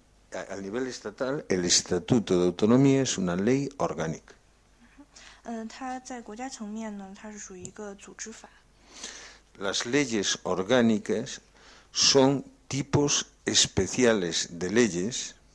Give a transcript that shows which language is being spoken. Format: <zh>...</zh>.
<es>Al nivel estatal, el Estatuto de Autonomía es una ley orgánica.</es> <zh>它在国家层面呢，它是属于一个组织法。</zh> <es>Las leyes orgánicas son tipos especiales de leyes.</es>